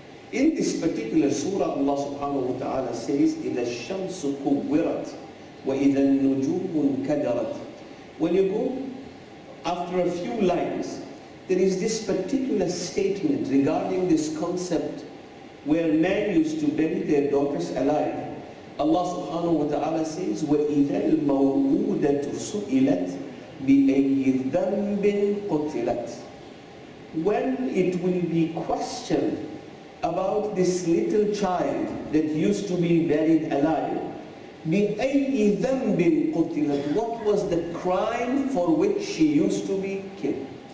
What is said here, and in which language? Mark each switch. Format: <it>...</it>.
<en>In this particular surah, Allah subhanahu wa ta'ala says,</en> <ar>إِذَا الشَّمْسُ كُبِّرَتْ وَإِذَا النُّجُومُ كَدَرَتْ.</ar> <en>When you go after a few lines, there is this particular statement regarding this concept where men used to bury their daughters alive.</en> <ar>Allah subhanahu wa ta'ala says, وَإِذَا الْمَوْءُودَةُ سُئِلَتْ بِأَيِّ ذَنْبٍ قُتِلَتْ.</ar> <en>When it will be questioned about this little child that used to be buried alive,</en> <ar>بِأَيِّ ذَنْبٍ قُتِلَتْ,</ar> <en>what was the crime for which she used to be killed?</en>